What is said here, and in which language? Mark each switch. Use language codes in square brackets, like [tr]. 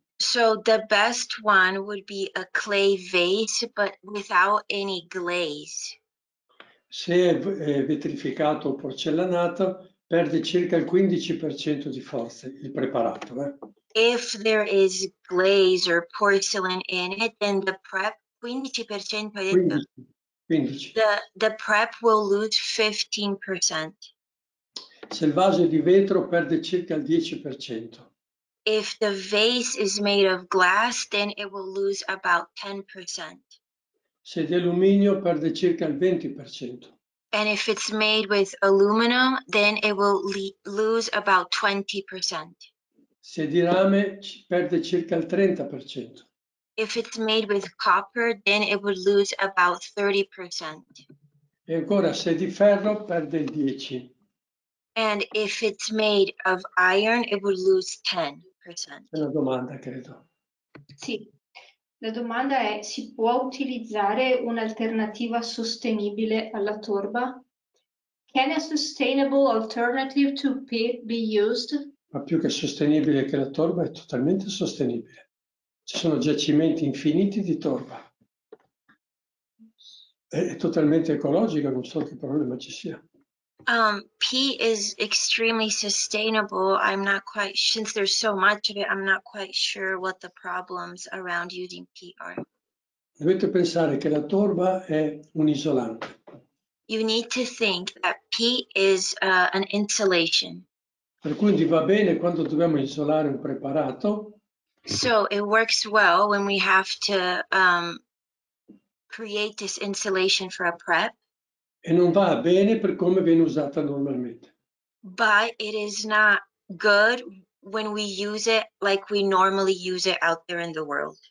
[en] So the best one would be a clay vase, but without any glaze. [it] Se è vetrificato o porcellanato, perde circa il 15% di forza il preparato, eh? [en] If there is glaze or porcelain in it, then the prep 15%. The prep will lose 15%. [it] Se il vaso è di vetro, perde circa il 10%. [en] If the vase is made of glass, then it will lose about 10%. [it] Se di alluminio, perde circa il 20%. [en] And if it's made with aluminum, then it will lose about 20%. [it] Se di rame, perde circa il 30%. [en] If it's made with copper, then it would lose about 30%. [it] E ancora, se di ferro, perde il 10%. [en] And if it's made of iron, it would lose 10%. [it] È una domanda, credo. Sì. La domanda è, si può utilizzare un'alternativa sostenibile alla torba? [en] Can a sustainable alternative to peat be used? [it] Ma più che sostenibile che la torba, è totalmente sostenibile. Ci sono giacimenti infiniti di torba. È totalmente ecologica, non so che problema ci sia. [en] Peat is extremely sustainable. I'm not quite, since there's so much of it, I'm not quite sure what the problems around using peat are. [it] Dovete pensare che la torba è un isolante. [en] you need to think that peat is an insulation. [it] Per cui va bene quando dobbiamo isolare un preparato. [en] So it works well when we have to create this insulation for a prep. [it] E non va bene per come viene usata normalmente. [en] But it is not good when we use it like we normally use it out there in the world.